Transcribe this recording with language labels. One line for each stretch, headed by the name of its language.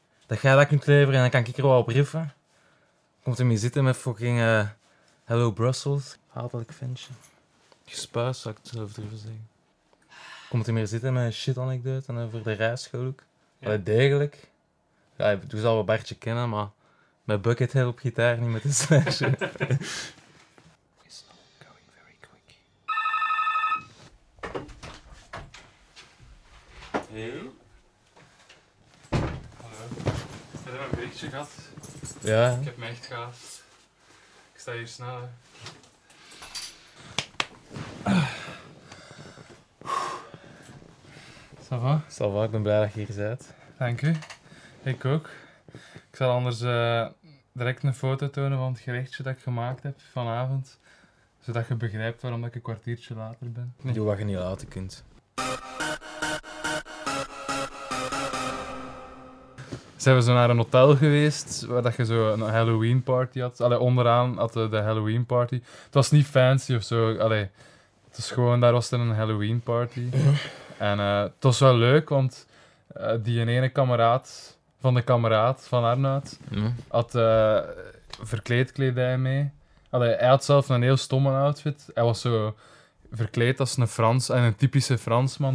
Dutch: Dat jij dat kunt leveren en dan kan ik er wel op riffen. Komt hem hier zitten met fucking...
English: Hello Brussels.
Dutch: Hatelijk ventje. Gespuis, zou ik het zelf durven zeggen. Komt hij meer zitten met een shit-anecdote en voor de rijschool ook. Ja. Allee, degelijk. Ja, toen zal we Bartje kennen, maar met Buckethead op gitaar, niet met een slash.
English: It's not going very quick.
Dutch: Hey. Hallo. Heb je een beetje gehad? Ja. Ik heb me echt gehad. Ik sta hier snel.
French: Ça va? Ça va,
Dutch: ik ben blij dat je hier bent. Dank u. Ik ook. Ik zal anders direct een foto tonen van het gerechtje dat ik gemaakt heb vanavond. Zodat je begrijpt waarom ik een kwartiertje later ben. Nee. Doe wat je niet laten kunt. Zijn we zo naar een hotel geweest, waar dat je zo een Halloween party had. Allee, onderaan had de Halloween party. Het was niet fancy of zo. Allee, het was gewoon, daar was er een Halloween party. En het was wel leuk, want die ene kameraad van de kameraad van Arnoud had verkleedkledij mee. Allee, hij had zelf een heel stomme outfit. Hij was zo verkleed als een Frans en een typische Fransman.